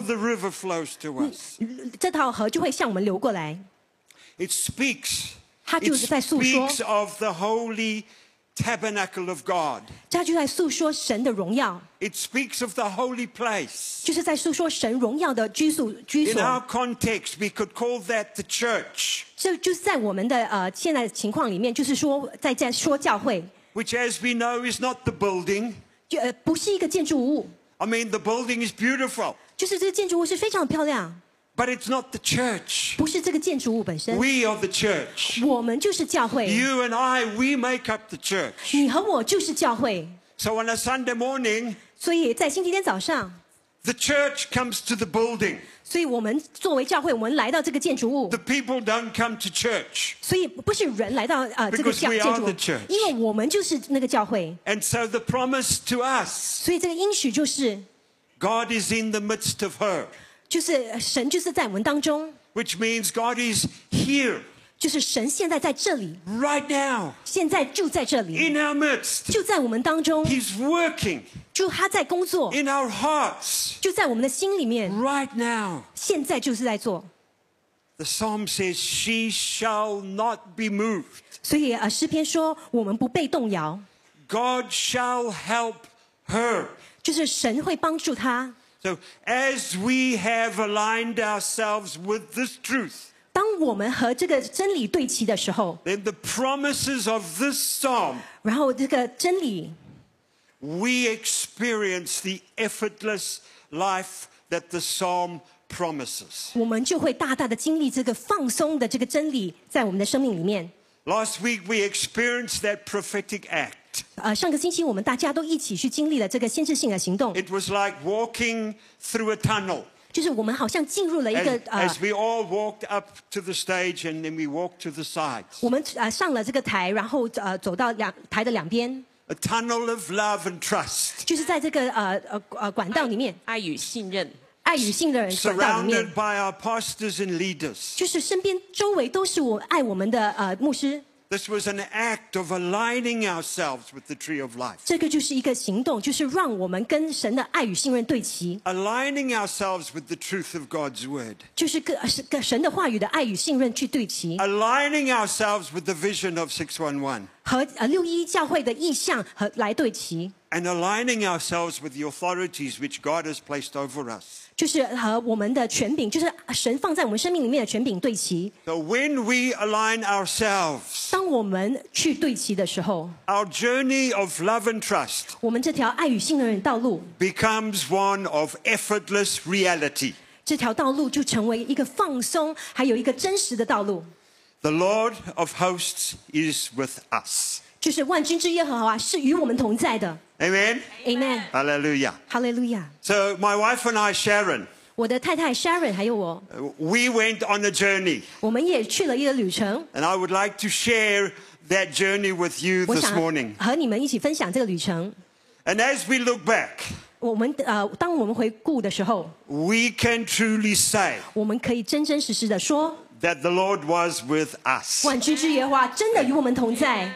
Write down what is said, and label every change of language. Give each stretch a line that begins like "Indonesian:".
English: so the river flows to us
Chinese: 这条河就会向我们流过来
English: it speaks
Chinese: 它就是在诉说
English: it speaks of the holyTabernacle of God.
Chinese: 它就在诉说神的荣耀。
English: It speaks of the holy place.
Chinese: 就是在诉说神荣耀的居所。
English: In our context, we could call that the church.
Chinese: 就是在我们的现在的情况里面，就是说在说教会。
English: which as we know is not the building.
Chinese: 不是一个建筑物。
English: I mean, the building is beautiful.
Chinese: 就是这个建筑物是非常漂亮。
English: But it's not the church.
Chinese: 不是这个建筑物本身。
English: We are the church.
Chinese: 我们就是教会。
English: You and I, we make up the church.
Chinese: 你和我就是教会。
English: So on a Sunday morning,
Chinese: 所以在星期天早上
English: the church comes to the building.
Chinese: 所以我们作为教会，我们来到这个建筑物。
English: The people don't come to church.
Chinese: 所以不是人来到这个建筑物。
English: Because we are the church.
Chinese: 因为我们就是那个教会。
English: And so the promise to us.
Chinese: 所以这个应许就是
English: God is in the midst of her.
Chinese: 就是神就是在我们当中。
English: Which means God is here.
Chinese: 就是神现在在这里
English: right now,
Chinese: 现在就在这里
English: in our midst,
Chinese: 就在我们当中
English: He's working,
Chinese: 就他在工作
English: in our hearts,
Chinese: 就在我们的心里面
English: right now,
Chinese: 现在就是在做
English: The psalm says, she shall not be moved.
Chinese: 所以诗篇说我们不被动摇
English: God shall help her.
Chinese: 就是神会帮助她
English: So as we have aligned ourselves with this truth,
Chinese: 当我们和这个真理对齐的时候
English: Then the promises of this psalm,
Chinese: 然后这个真理
English: We experience the effortless life that the psalm promises.
Chinese: 我们就会大大的经历这个放松的这个真理在我们的生命里面
English: Last week we experienced that prophetic act.
Chinese: 上个星期我们大家都一起去经历了这个先知性的行动
English: It was like walking through a tunnel.
Chinese: 就是我们好像进入了一个
English: As we all walked up to the stage and then we walked to the sides.
Chinese: 我们上了这个台然后走到台的两边
English: A tunnel of love and trust.
Chinese: 就是在这个管道里面爱与信任爱与信的人
English: Surrounded by our pastors and leaders.
Chinese: 就是身边周围都是爱我们的牧师
English: This was an act of aligning ourselves with the tree of life.
Chinese: 这个就是一个行动，就是让我们跟神的爱与信任对齐。
English: Aligning ourselves with the truth of God's word.
Chinese: 就是跟神的话语的爱与信任去对齐。
English: Aligning ourselves with the vision of 611.
Chinese: 和611教会的意向和来对齐。
English: And aligning ourselves with the authorities which God has placed over us.
Chinese: 就是和我们的权柄，就是神放在我们生命里面的权柄对齐。
English: So when we align ourselves,
Chinese: 当我们去对齐的时候
English: ，our journey of love and trust,
Chinese: 我们这条爱与信任的道路
English: becomes one of effortless reality.
Chinese: 这条道路就成为一个放松，还有一个真实的道路。
English: The Lord of hosts is with us.
Chinese: 就是万军之耶和华是与我们同在的。
English: Amen. Amen. Hallelujah. Hallelujah. So my wife and I, Sharon.
Chinese: 我的太太 Sharon 还有我
English: We went on a journey.
Chinese: 我们也去了一个旅程
English: And I would like to share that journey with you this morning.
Chinese: 和你们一起分享这个旅程
English: And as we look back,
Chinese: 我们当我们回顾的时候
English: we can truly say,
Chinese: 我们可以真真实实的说
English: that the Lord was with us.
Chinese: 万军之耶和华真的与我们同在